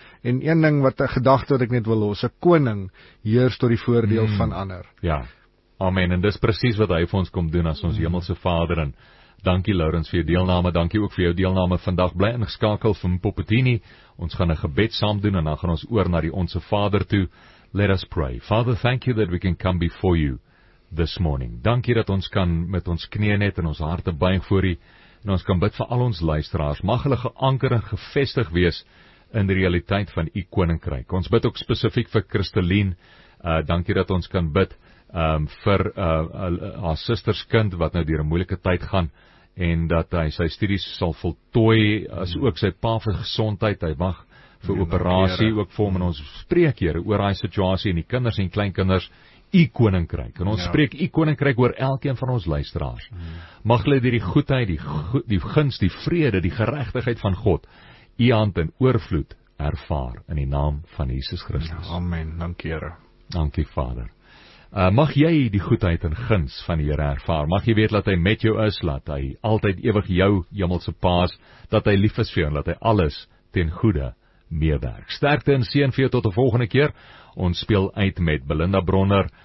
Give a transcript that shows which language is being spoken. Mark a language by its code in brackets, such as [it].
[af] En een ding wat 'n gedagte wat ek net wil los, 'n koning heers tot die voordeel van ander. Ja. Amen. En dis presies wat hy vir ons kom doen as ons hemelse Vader en Dankie Laurens vir jou deelname, dankie ook vir jou deelname vandag. Bly ingeskakel vir Popetini. Ons gaan 'n gebed saam doen en dan gaan ons oor na die Onse Vader toe. [en] Let us pray. Father, thank you that we can come before you this morning. [af] Dankie dat ons kan met ons knieën net en ons harte buig voor U en ons kan bid vir al ons luisteraars. Mag hulle geanker en gevestig wees in die realiteit van U koninkryk. Ons bid ook spesifiek vir Christeline. Dankie dat ons kan bid vir haar susters kind wat nou deur 'n moeilike tyd gaan en dat hy sy studies sal voltooi as ook sy pa vir gesondheid. Hy wag vir operasie ook vir hom en ons spreek Here oor daai situasie en die kinders en kleinkinders U koninkryk. En ons spreek U koninkryk oor elkeen van ons luisteraars. Mag hulle deur die goedheid, die guns, die vrede, die geregtigheid van God U hand in oorvloed ervaar in die naam van Jesus Christus. Amen. Dankie Here. Dankie Vader. Mag jy die goedheid en guns van die Here ervaar. Mag jy weet dat hy met jou is, dat hy altyd ewig jou hemelse pa is, dat hy lief is vir jou en dat hy alles ten goede meewerk. Sterkte en seën vir jou tot 'n volgende keer. Ons speel uit met Belinda Bronner.